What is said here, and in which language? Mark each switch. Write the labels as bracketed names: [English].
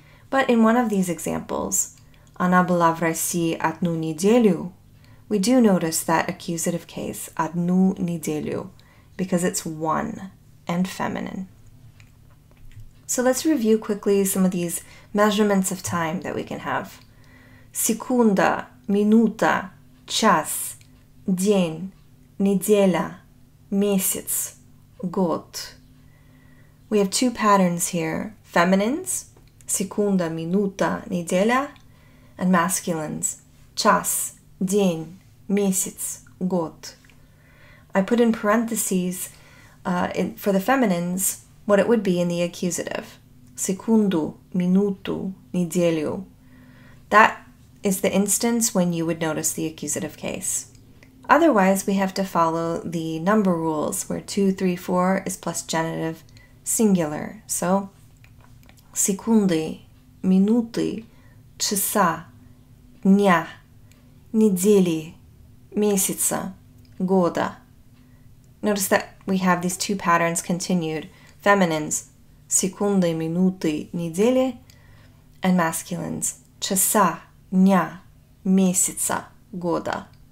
[English] But in one of these examples, [Russian] она была в России 1 неделю, [English] we do notice that accusative case, [Russian] 1 неделю, [English] because it's 1 and feminine. So let's review quickly some of these measurements of time that we can have. [Russian] Секунда, минута, час, день, неделя, месяц, год. [English] We have 2 patterns here, feminines, [Russian] секунда, минута, неделя, [English] and masculines, [Russian] час, день, месяц, год. [English] I put in parentheses for the feminines what it would be in the accusative. [Russian] Секунду, минуту, неделю. [English] That is the instance when you would notice the accusative case. Otherwise, we have to follow the number rules where 2, 3, 4 is plus genitive singular. [Russian] So, секунды, минуты, часа, дня, недели, месяца, года. [English] Notice that we have these 2 patterns continued. Feminines, [Russian] секунды, минуты, недели, [English] and masculines, [Russian] часа, дня, месяца, года.